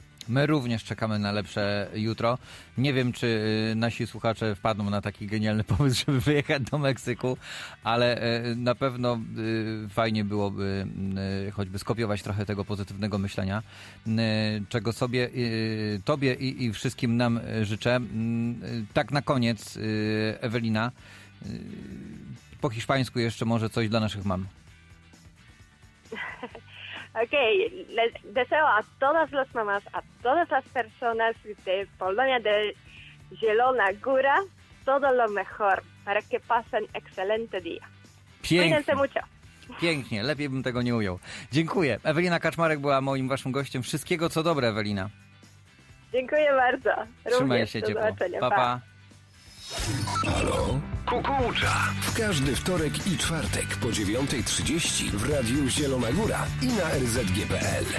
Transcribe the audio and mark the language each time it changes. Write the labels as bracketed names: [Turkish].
[Polish] My również czekamy na lepsze jutro. Nie wiem, czy nasi słuchacze wpadną na taki genialny pomysł, żeby wyjechać do Meksyku, ale na pewno fajnie byłoby choćby skopiować trochę tego pozytywnego myślenia, czego sobie, tobie i wszystkim nam życzę. Tak na koniec, Ewelina, po hiszpańsku jeszcze może coś dla naszych mam. [Spanish] Okay, les deseo a todas las mamás, a todas las personas de Polonia de Zielona Góra todo lo mejor para que pasen excelente día. Cuídense mucho. [Polish] Pięknie, lepiej bym tego nie ujął. Dziękuję. Ewelina Kaczmarek była moim waszym gościem. Wszystkiego co dobre, Ewelina. Dziękuję bardzo. Trzymaj się ciepło. Pa, pa. Halo? Kukucza! W każdy wtorek i czwartek po 9:30 w Radiu Zielona Góra i na rzg.pl.